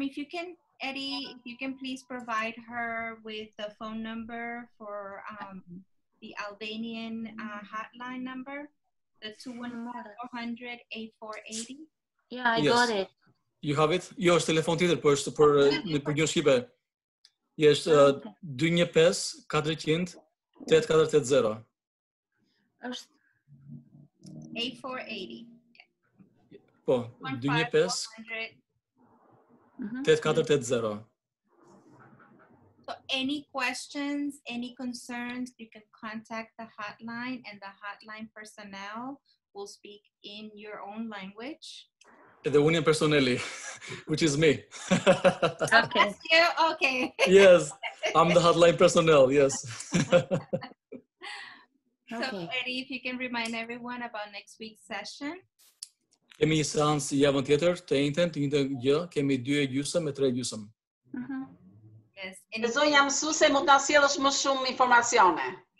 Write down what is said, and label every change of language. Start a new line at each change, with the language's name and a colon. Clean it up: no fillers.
English: If you can, Eddie, if you can please provide her with the phone number for the Albanian hotline number, the 214-8480. Yeah, I got it. You have it?
Albanian: Jo, është telefon tjetër, po është për në gjuhën shqipe.
English: Yes, 215-400-8480.
Albanian: Është 8480. Po, 215-400-8480.
English: So any questions, any concerns, you can contact the hotline and the hotline personnel will speak in your own language. The union personnel, which is me. Okay. Okay. Yes, I'm the hotline personnel, yes. Okay. So, Eddie, if you can remind everyone about next week's session.
Albanian: Kemi një seancë javën tjetër, të njëjtën, të njëjtën gjë, kemi dy e gjysëm me tre gjysëm.
English: Yes.
Albanian: Në zonë jam mësuese, mund të sjellësh më shumë informacione.